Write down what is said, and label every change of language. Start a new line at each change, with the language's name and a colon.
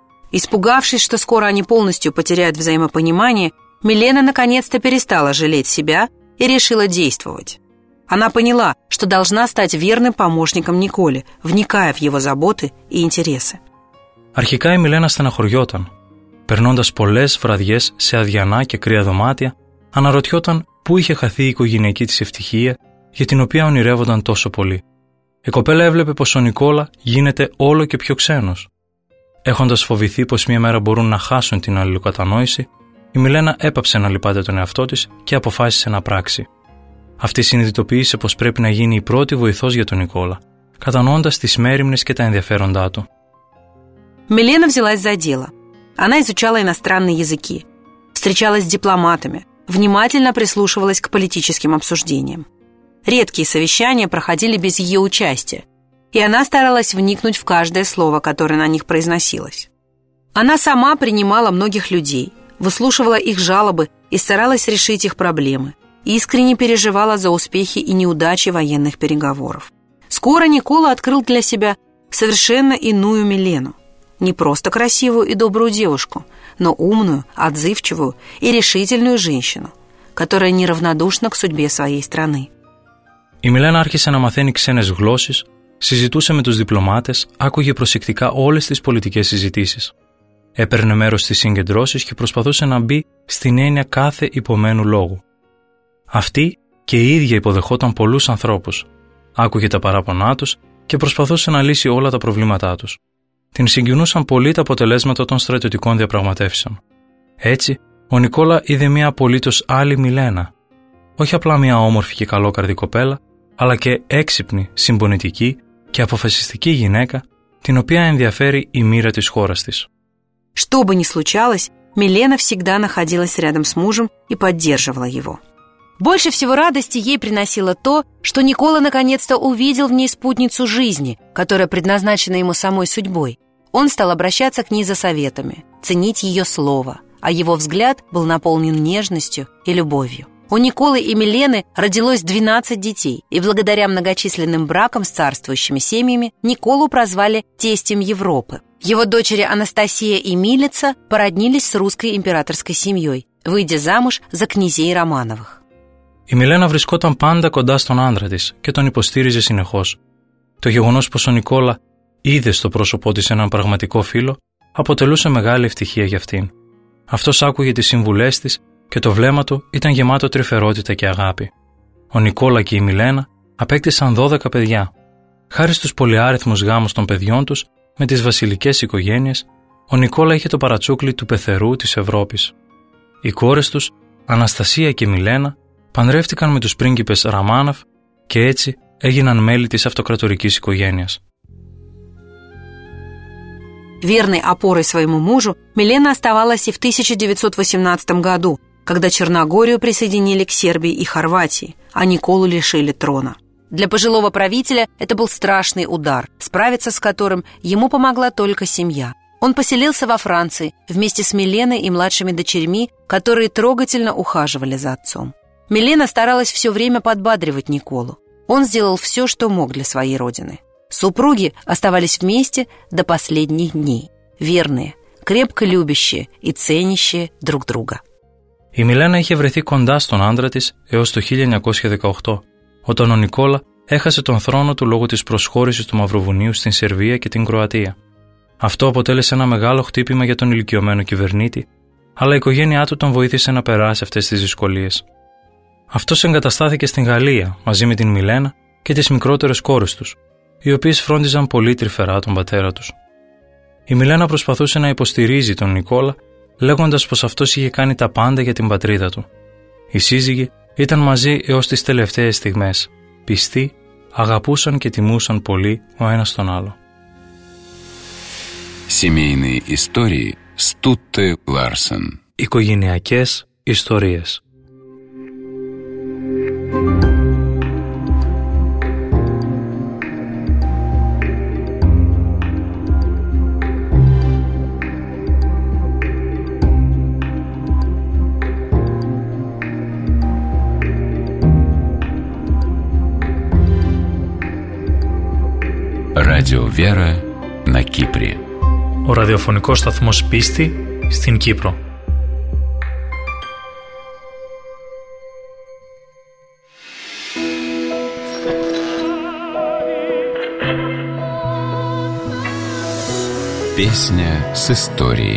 Russian: Испугавшись, что скоро они полностью потеряют взаимопонимание, Милена наконец-то перестала жалеть себя и решила действовать. Она поняла, что должна стать верным помощником Николе, вникая в его заботы и интересы.
Greek: Αρχικά η Μιλένα στεναχωριόταν. Περνώντας πολλές βραδιές σε αδιανά και κρύα δωμάτια, αναρωτιόταν πού είχε χαθεί η οικογενειακή της ευτυχία για την οποία ονειρεύονταν τόσο πολύ. Η κοπέλα έβλεπε πως ο Νικόλα γίνεται όλο και πιο ξένος. Έχοντας φοβηθεί πως μία μέρα μπορούν να χάσουν την αλληλοκατανόηση, η Μιλένα έπαψε να λυπάται τον εαυτό της και αποφάσισε να πράξει. Αυτή συνειδητοποίησε πως πρέπει να γίνει η πρώτη βοηθός για τον Νικόλα, κατανοώντας τις μέρημνες και τα ενδιαφέροντά του.
Russian: Милена взялась за дело. Она изучала иностранные языки, встречалась с дипломатами, внимательно прислушивалась к политическим обсуждениям. Редкие совещания проходили без ее участия, и она старалась вникнуть в каждое слово, которое на них произносилось. Она сама принимала многих людей, выслушивала их жалобы и старалась решить их проблемы, искренне переживала за успехи и неудачи военных переговоров. Скоро Никола открыл для себя совершенно иную Милену. Не просто красивую и добрую девушку, но умную, отзывчивую и решительную женщину, которая неравнодушна к судьбе своей страны.
Greek: Η Μιλένα άρχισε να μαθαίνει ξένες γλώσσες, συζητούσε με τους διπλωμάτες, άκουγε προσεκτικά όλες τις πολιτικές συζητήσεις. Έπαιρνε μέρος στις συγκεντρώσεις και προσπαθούσε να μπει στην έννοια κάθε υπομένου λόγου. Αυτή και η ίδια υποδεχόταν πολλούς ανθρώπους. Άκουγε τα παράπονά τους και προσπαθούσε να λύσει όλα τα προβλήματά τους. Την συγκινούσαν πολύ τα αποτελέσματα των στρατιωτικών διαπραγματεύσεων. Έτσι, ο Νικόλα είδε μια απολύτως άλλη Μιλένα. Όχι απλά μια όμορφη και καλόκαρδη κοπέλα, αλλά και έξυπνη, συμπονητική και αποφασιστική γυναίκα, την οποία ενδιαφέρει η μοίρα της χώρας της.
Russian: Что бы ни случалось, Милена всегда находилась рядом с мужем и поддерживала его. Больше всего радости ей приносило то, что Никола наконец-то увидел в ней спутницу жизни, которая предназначена ему самой судьбой. Он стал обращаться к ней за советами, ценить ее слово, а его взгляд был наполнен нежностью и любовью. У Николы и Милены родилось 12 детей, и благодаря многочисленным бракам с царствующими семьями Николу прозвали «тестем Европы». Его дочери Анастасия и Милица породнились с русской императорской семьей, выйдя замуж за князей Романовых.
Greek: Η Μιλένα βρισκόταν πάντα κοντά στον άντρα της και τον υποστήριζε συνεχώς. Το γεγονός πως ο Νικόλα είδε στο πρόσωπό της έναν πραγματικό φίλο αποτελούσε μεγάλη ευτυχία για αυτήν. Αυτός άκουγε τις συμβουλές της και το βλέμμα του ήταν γεμάτο τρυφερότητα και αγάπη. Ο Νικόλα και η Μιλένα απέκτησαν 12 παιδιά. Χάρη στους πολυάριθμους γάμους των παιδιών τους με τις βασιλικές οικογένειες, ο Νικόλα είχε το παρατσούκλι του πεθερού της Ευρώπης. Οι κόρες τους, Αναστασία και Μιλένα, παντρεύτηκαν με τους πρίγκιπες Ραμάνοφ και έτσι έγιναν μέλη της αυτοκρατορικής οικογένειας.
Russian: Верной опорой своему мужу Милена оставалась и в 1918 году, когда Черногорию присоединили к Сербии и Хорватии, а Николу лишили трона. Для пожилого правителя это был страшный удар, справиться с которым ему помогла только семья. Он поселился во Франции вместе с Миленой и младшими дочерьми, которые трогательно ухаживали за отцом. Милена старалась все время подбадривать Николу. Он сделал все, что мог для своей родины. Супруги оставались вместе до последних дней. Верные, крепко любящие и ценящие друг друга.
Greek: Η Μιλένα είχε βρεθεί κοντά στον άντρα της έως το 1918, όταν ο Νικόλα έχασε τον θρόνο του λόγω της προσχώρησης του Μαυροβουνίου στην Σερβία και την Κροατία. Αυτό αποτέλεσε ένα μεγάλο χτύπημα για τον ηλικιωμένο κυβερνήτη, αλλά η οικογένειά του τον βοήθησε να περάσει αυτές τις δυσκολίες. Αυτός εγκαταστάθηκε στην Γαλλία μαζί με την Μιλένα και τις μικρότερες κόρες τους, οι οποίες φρόντιζαν πολύ τρυφερά τον πατέρα τους. Η Μιλένα προσπαθούσε να υποστηρίζει τον Νικόλα, λέγοντας πως αυτός είχε κάνει τα πάντα για την πατρίδα του. Οι σύζυγοι ήταν μαζί έως τις τελευταίες στιγμές. Πιστοί, αγαπούσαν και τιμούσαν πολύ ο ένας τον άλλο.
Russian: Семейные истории Стутте Ларсен.
Greek: Οικογενειακές ιστορίες.
Russian: Radio Vera на Кипре.
Greek: Ο ραδιοφωνικός σταθμός Πίστη στην Κύπρο.
Russian: Песня с историей.